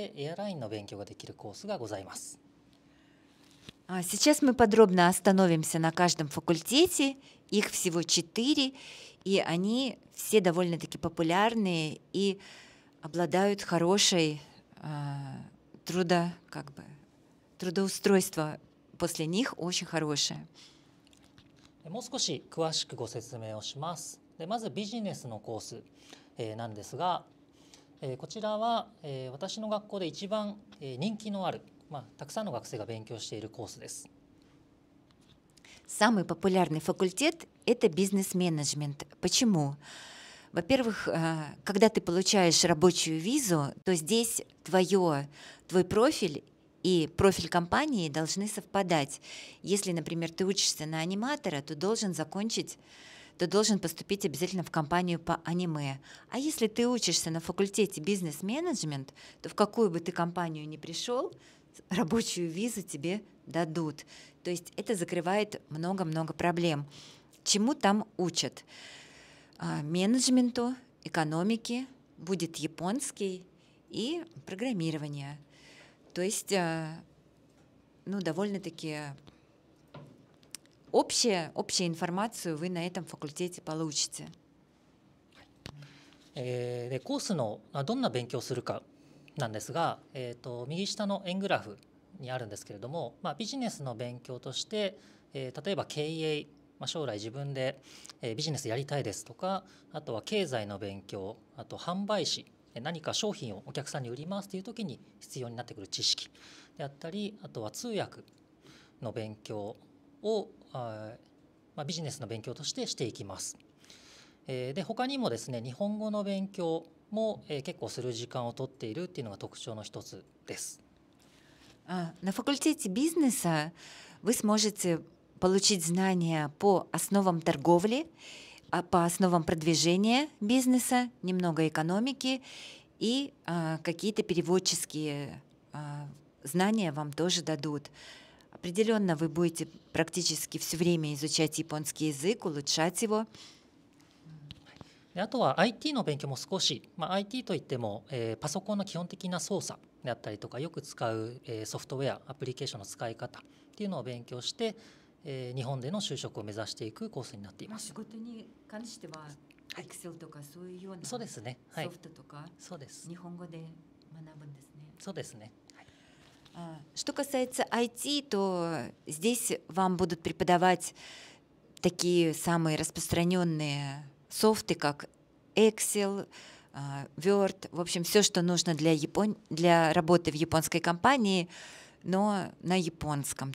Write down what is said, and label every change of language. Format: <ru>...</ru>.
<ja>はい。続きまして、コース、勉強できるコースについてなんですが、日本国際で3種類、ビジネス、IT、ホテル、そして成田筑波でエアラインの勉強ができるコースがございます。</ja> <ru>Сейчас мы подробно остановимся на каждом факультете. Их всего 4, и они все довольно-таки популярные и обладают хорошей трудоустройство после них очень хорошее.</ru> <ja>もう少し詳しくご説明をします。で、まずビジネスのコース、なんですが、こちらは私の学校で一番人気のある、たくさんの学生が勉強しているコースです。</ja> <ru>Самый популярный факультет – это бизнес-менеджмент. Почему? Во-первых, когда ты получаешь рабочую визу, то здесь твой профиль и профиль компании должны совпадать. Если, например, ты учишься на аниматора, то должен поступить обязательно в компанию по аниме. А если ты учишься на факультете бизнес-менеджмент, то в какую бы ты компанию ни пришел, рабочую визу тебе дадут. То есть это закрывает много-много проблем. Чему там учат? Менеджменту, экономике, будет японский и программирование. То есть, ну, довольно-таки общую информацию вы на этом факультете получите.</ru> <ja>でコースのどんな勉強をするかなんですが、右下の円グラフにあるんですけれども、まあ、ビジネスの勉強として、例えば経営、まあ、将来自分で、ビジネスやりたいですとか、あとは経済の勉強、あと販売士、何か商品をお客さんに売りますという時に必要になってくる知識であったり、あとは通訳の勉強を、まあ、ビジネスの勉強としてしていきます。で他にもですね、日本語の勉強も、結構する時間を取っているっていうのが特徴の一つです。</ja> <ru>А, на факультете бизнеса вы сможете получить знания по основам торговли, по основам продвижения бизнеса, немного экономики и какие-то переводческие знания вам тоже дадут. Определенно вы будете практически все время изучать японский язык, улучшать его.</ru> <ja>であとは IT の勉強も少し、まあ、IT といっても、パソコンの基本的な操作であったりとか、よく使う、ソフトウェア、アプリケーションの使い方っていうのを勉強して、日本での就職を目指していくコースになっています。仕事に関しては Excel とかそういうようなソフトとか、はい、そうです、日本語で学ぶんですね。そうですね。</ja> <ru>Что касается IT, то здесь вам будут преподавать такие самые распространенные софты, как Excel, Word, в общем, все, что нужно для, для работы в японской компании, но на японском.</ru>